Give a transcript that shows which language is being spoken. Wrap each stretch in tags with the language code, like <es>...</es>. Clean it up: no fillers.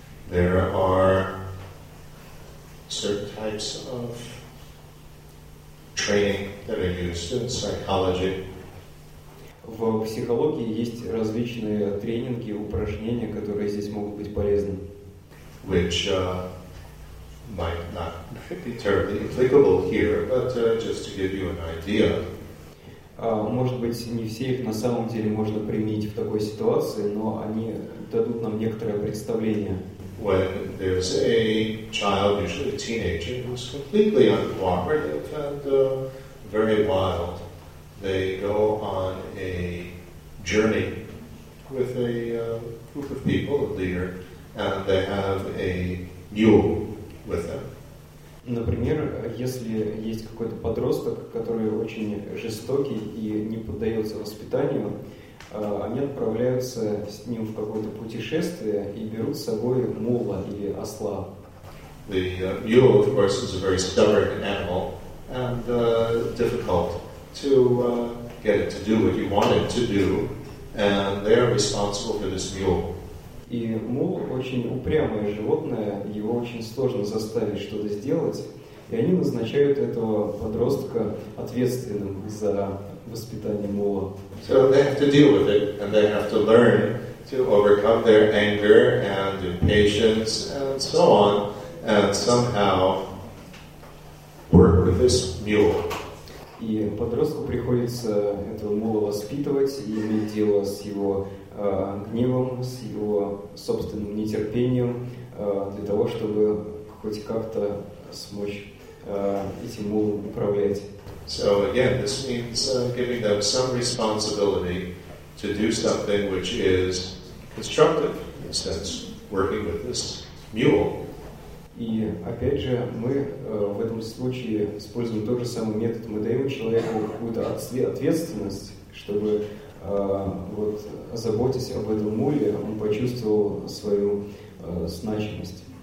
<en>There are certain types of training that are used in psychology.</en> <ru>В психологии есть различные тренинги, упражнения, которые здесь могут быть полезны.</ru> <en>Which might not be terribly applicable here, but just to give you an idea.</en> <ru>Может быть, не все их на самом деле можно применить в такой ситуации, но они дадут нам некоторое представление.</ru> <en>When there's a child, usually a teenager, who's completely uncooperative and very wild, they go on a journey with a group of people, a leader, and they have a mule with them.</en> <ru>Например, если есть какой-то подросток, который очень жестокий и не поддается воспитанию, они отправляются с ним в какое-то путешествие и берут с собой мула или осла.</ru> <en>The mule, of course, is a very stubborn animal and difficult to get it to do what you want it to do, and they are responsible for this mule.</en> <ru>И мул очень упрямое животное, его очень сложно заставить что-то сделать, и они назначают этого подростка ответственным за воспитание мула.</ru> <en>So they have to deal with it, and they have to learn to overcome their anger and impatience and so on, and somehow work with this mule.</en> <ru>И подростку приходится этого мула воспитывать и иметь дело с его гневом, с его собственным нетерпением, для того, чтобы хоть как-то смочь этим мулом управлять.</ru> <en>So again, this means giving them some responsibility to do something which is constructive, in a sense, working with this mule.</en> <ru>И опять же, мы в этом случае используем тот же самый метод. Мы даем человеку какую-то ответственность, чтобы вот заботясь об этом муле, он почувствовал свою значимость.</ru>